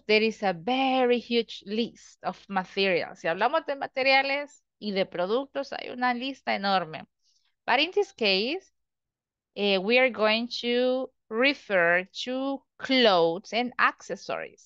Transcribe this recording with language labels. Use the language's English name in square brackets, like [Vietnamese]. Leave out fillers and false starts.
[English] There is a very huge list of materials. [Spanish] Si hablamos de materiales y de productos, hay una lista enorme. [English] But in this case, we are going to refer to clothes and accessories.